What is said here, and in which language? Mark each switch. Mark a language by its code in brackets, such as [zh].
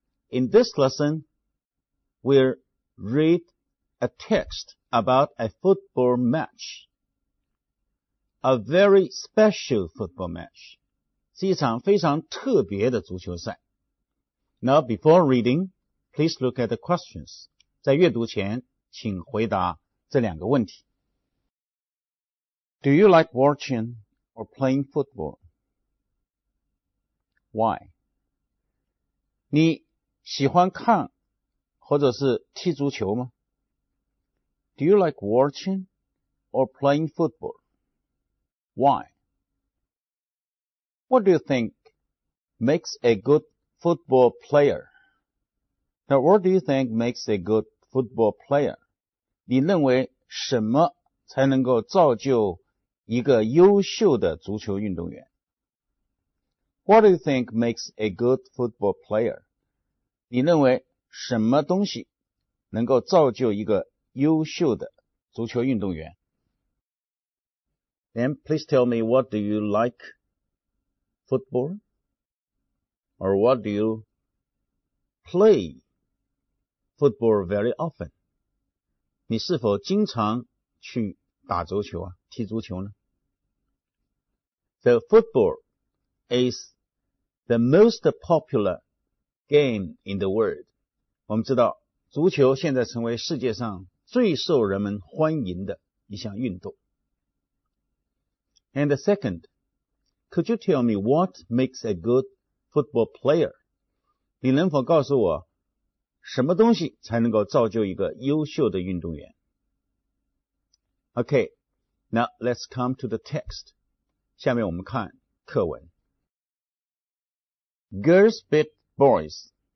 [en] In this lesson, we'll read a text about a football match. A very special football match. [zh] 是一场非常特别的足球赛。 [en] Now, before reading,Please look at the questions. [zh] 在阅读前请回答这两个问题。 [en] Do you like watching or playing football? Why? [zh] 你喜欢看或者是踢足球吗? [en] Do you like watching or playing football? Why? What do you think makes a good football player? Now, what do you think makes a good football player? [zh] 你认为什么才能够造就一个优秀的足球运动员? [en] What do you think makes a good football player? [zh] 你认为什么东西能够造就一个优秀的足球运动员? [en] Then please tell me, what do you like football? Or what do you play? Football very often. [zh] 你是否经常去打足球啊踢足球呢 [en] ?So football is the most popular game in the world. [zh] 我们知道足球现在成为世界上最受人们欢迎的一项运动。 [en] And the second, could you tell me what makes a good football player? [zh] 你能否告诉我什么东西才能够造就一个优秀的运动员? [en] Okay, now let's come to the text. [zh] 下面我们看课文。 [en] Girls beat boys.